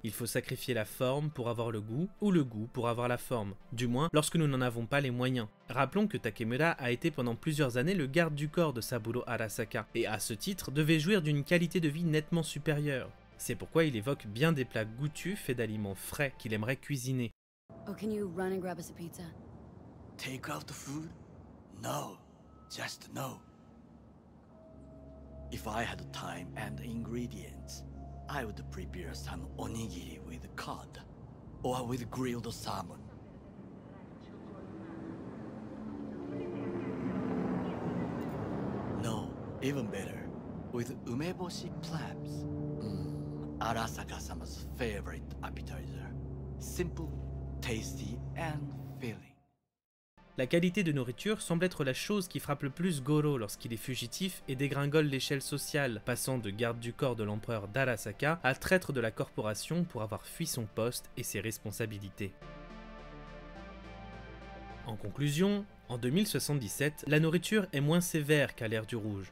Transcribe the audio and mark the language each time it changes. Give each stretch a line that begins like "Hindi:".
French: Il faut sacrifier la forme pour avoir le goût, ou le goût pour avoir la forme. Du moins, lorsque nous n'en avons pas les moyens. Rappelons que Takemura a été pendant plusieurs années le garde du corps de Saburo Arasaka, et à ce titre, devait jouir d'une qualité de vie nettement supérieure. C'est pourquoi il évoque bien des plats goûtus faits d'aliments frais qu'il aimerait cuisiner.
English: Oh, can you run and grab us a pizza? Take out the food? No, just no. If I had time and ingredients, I would prepare some onigiri with cod or with grilled salmon. No, even better, with umeboshi plums. Arasaka-sama's favorite appetizer. Simple, tasty and filling.
French: La qualité de nourriture semble être la chose qui frappe le plus Goro lorsqu'il est fugitif et dégringole l'échelle sociale, passant de garde du corps de l'empereur d'Arasaka à traître de la corporation pour avoir fui son poste et ses responsabilités. En conclusion, en 2077, la nourriture est moins sévère qu'à l'ère du rouge.